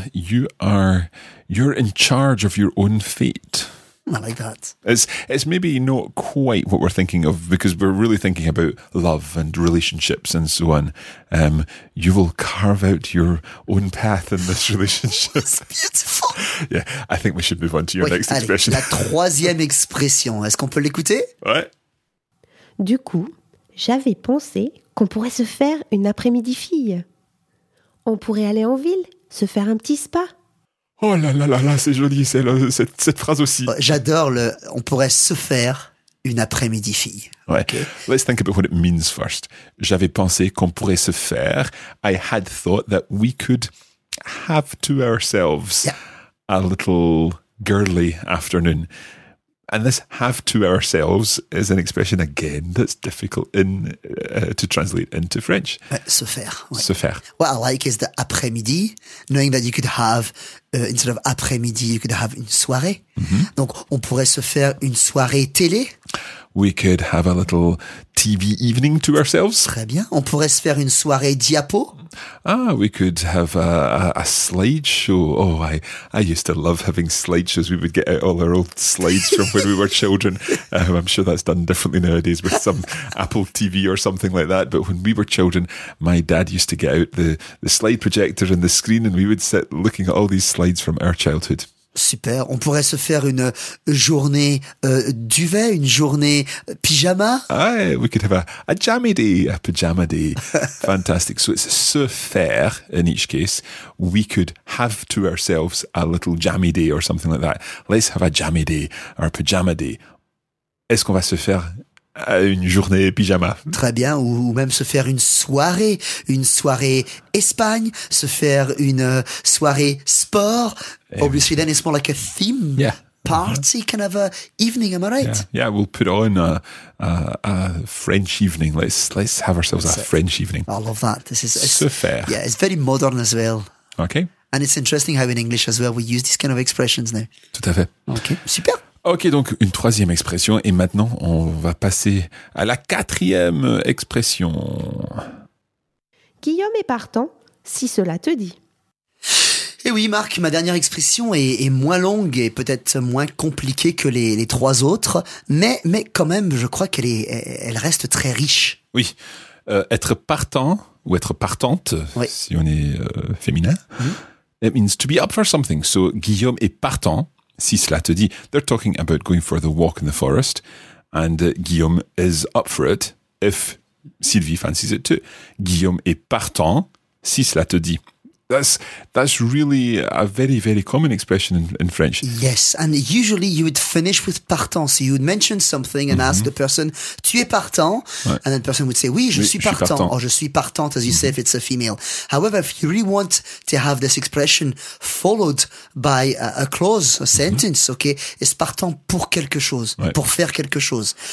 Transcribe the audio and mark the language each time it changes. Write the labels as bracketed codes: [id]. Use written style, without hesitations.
[en] You're in charge of your own fate. I like that. It's maybe not quite what we're thinking of because we're really thinking about love and relationships and so on. You will carve out your own path in this relationship. It's beautiful. Yeah, I think we should move on to your next expression. [fr] La troisième expression, est-ce qu'on peut l'écouter? Ouais. Du coup, j'avais pensé qu'on pourrait se faire une après-midi fille. On pourrait aller en ville, se faire un petit spa. Oh là là là là, c'est joli, cette phrase aussi. J'adore le « on pourrait se faire une après-midi fille. Ouais. Okay. [en] Let's think about what it means first. [fr] J'avais pensé qu'on pourrait se faire. [en] I had thought that we could have to ourselves a little girly afternoon. And this have to ourselves is an expression, again, that's difficult in to translate into French. [fr] Se faire. Ouais. Se faire. [en] What I like is the après-midi, knowing that you could have, instead of après-midi, you could have une soirée. Mm-hmm. [fr] Donc, on pourrait se faire une soirée télé. [en] We could have a little TV evening to ourselves. [fr] Très bien. On pourrait se faire une soirée diapo. [en] Ah, we could have a slideshow. Oh, I used to love having slideshows. We would get out all our old slides from when we were children. I'm sure that's done differently nowadays with some Apple TV or something like that. But when we were children, my dad used to get out the slide projector and the screen, and we would sit looking at all these slides from our childhood. [fr] Super. On pourrait se faire une journée duvet, une journée pyjama. [en] Aye, we could have a jammy day, a pyjama day. Fantastic. So it's se faire in each case. We could have to ourselves a little jammy day or something like that. Let's have a jammy day or a pyjama day. [fr] Est-ce qu'on va se faire une journée pyjama? Très bien. Ou même se faire une soirée Espagne, se faire une soirée sport. [en] Obviously, then it's more like a theme party, kind of a evening. Am I right? Yeah, we'll put on a French evening. Let's have ourselves a French evening. I love that. This is so fair. Yeah, it's very modern as well. Okay. And it's interesting how in English as well we use these kind of expressions now. [fr] Tout à fait. [en] Okay. Super. [fr] Ok, donc une troisième expression, et maintenant on va passer à la quatrième expression. Guillaume est partant, si cela te dit. Et oui Marc, ma dernière expression est moins longue et peut-être moins compliquée que les trois autres, mais quand même je crois qu'elle elle reste très riche. Oui, être partant ou être partante, oui. Si on est féminin, [en] it means to be up for something, so [fr] Guillaume est partant. Si cela te dit, [en] they're talking about going for the walk in the forest, and Guillaume is up for it if Sylvie fancies it too. [fr] Guillaume est partant, si cela te dit. [en] That's really a very, very common expression in French. Yes, and usually you would finish with partant. So you would mention something and ask the person, [fr] tu es partant? [en] Right. And then the person would say, [fr] oui, je suis partant. [en] Or [fr] je suis partante, [en] as you say, if it's a female. However, if you really want to have this expression followed by a clause, a sentence, okay, it's [fr] partant pour quelque chose, pour faire quelque chose.